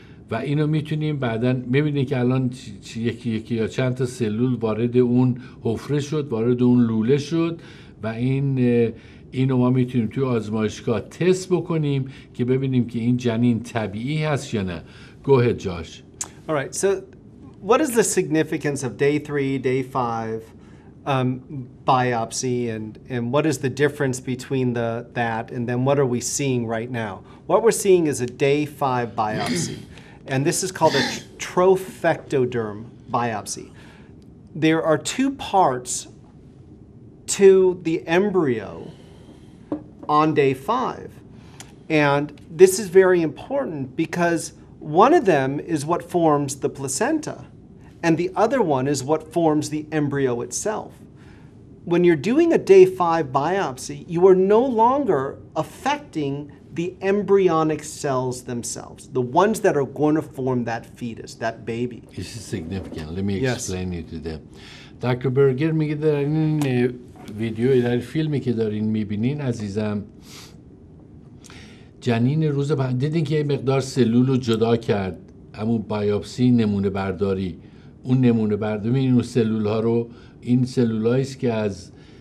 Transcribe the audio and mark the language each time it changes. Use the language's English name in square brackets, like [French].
[Persian] و اینو میتونیم بعداً میبینید که الان یکی یا چند تا سلول وارد اون حفره شد، وارد اون لوله شد و اینو ما میتونیم توی آزمایشگاه تست بکنیم که ببینیم که این جنین طبیعی هست یا نه. [English] Go ahead, Josh. All right, so what is the significance of day 3, day 5 biopsy and what is the difference between that and then what are we seeing right now? What we're seeing is a day 5 biopsy. And this is called a trophectoderm biopsy. There are two parts to the embryo on day 5. And this is very important because one of them is what forms the placenta, and the other one is what forms the embryo itself. When you're doing a day 5 biopsy, you are no longer affecting the embryonic cells themselves, the ones that are going to form that fetus, that baby. This is significant. Let me explain it to them. Dr. [Persian] Berger میگه در این ویدیو، در این فیلمی که دارین میبینین عزیزم، جنین روز بعد دیدین که یه مقدار سلول رو جدا کرد، همون بایوپسی نمونه برداری، اون نمونه برداری، این سلول ها رو، این سلولایی است که از